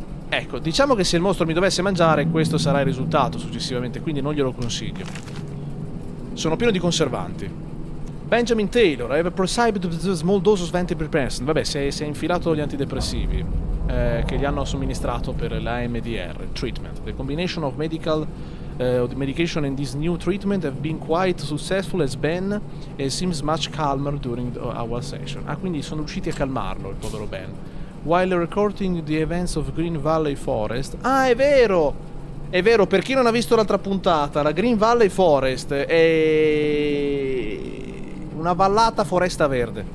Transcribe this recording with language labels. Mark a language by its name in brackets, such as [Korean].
[Italian] Ecco, diciamo che se il mostro mi dovesse mangiare, questo sarà il risultato successivamente, quindi non glielo consiglio. Sono pieno di conservanti. [English] Benjamin Taylor, I have prescribed small doses of antidepressants. [Italian] Vabbè, si è infilato gli antidepressivi che gli hanno somministrato per la MDR, treatment. [English] The combination of medical... medication and this new treatment have been quite successful as Ben and seems much calmer during our session. [Italian] Ah, quindi sono riusciti a calmarlo il povero Ben. [English] While recording the events of Green Valley Forest. [Italian] Ah, è vero! È vero, per chi non ha visto l'altra puntata, la Green Valley Forest è una vallata foresta verde.